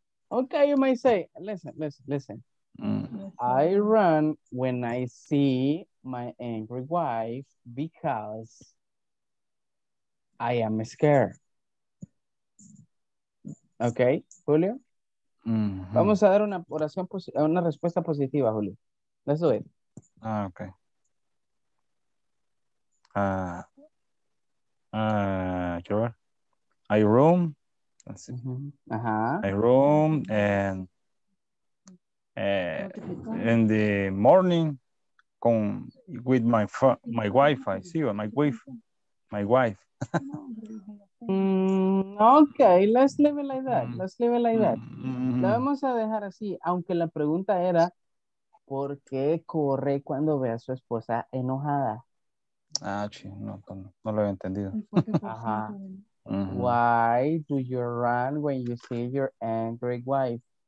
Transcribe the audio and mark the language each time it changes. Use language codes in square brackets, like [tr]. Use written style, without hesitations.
[en] Okay, you might say, listen. Mm. I run when I see my angry wife because I am scared. Okay, Julio. Mm-hmm. [es] Vamos a dar una oración, una respuesta positiva, Julio. [en] Let's do it. Ah, okay. I room. Let's see. Uh-huh. I room and in the morning con with my my wifi, sí, o my wife, my wife. Ok, let's leave it like that. Let's leave it like that. [es] La vamos a dejar así, aunque la pregunta era, ¿por qué corre cuando ve a su esposa enojada? Ah, sí, no lo había entendido. Ajá. [en] Why do you run when you see your angry wife?